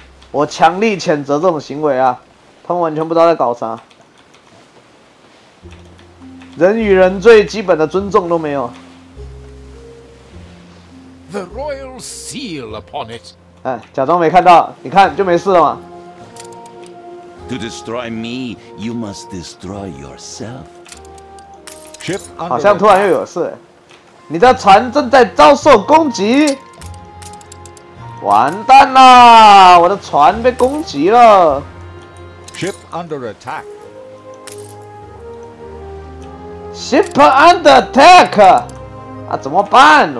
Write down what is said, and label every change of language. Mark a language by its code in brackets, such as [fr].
[zh] 我强力谴责这种行为啊！他们完全不知道在搞啥，人与人最基本的尊重都没有。 [en] The royal seal upon it。 [zh] 哎，假装没看到，你看就没事了嘛。 [en] To destroy me, you must destroy yourself. [zh] 好像突然又有事。你的船正在遭受攻击，完蛋啦！我的船被攻击了。 [en] Ship under attack. Ship under attack. [zh] 那怎么办？